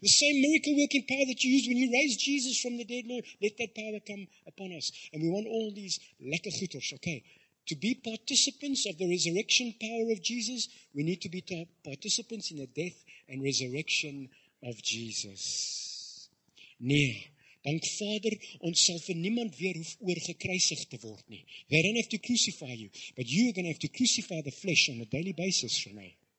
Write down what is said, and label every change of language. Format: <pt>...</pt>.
<en>The same miracle working power that you used when you raised Jesus from the dead, Lord. Let that power come upon us. And we want all these</en> <af>lekker goeders,</af> <en>okay? To be participants of the resurrection power of Jesus, we need to be participants in the death and resurrection of Jesus.</en> <af>Nee, dank Vader, ons sal vir niemand weer hoef oorgekruisig te word nie.</af> <en>They don't have to crucify you, but you are going to have to crucify the flesh on a daily basis, Rene.</en>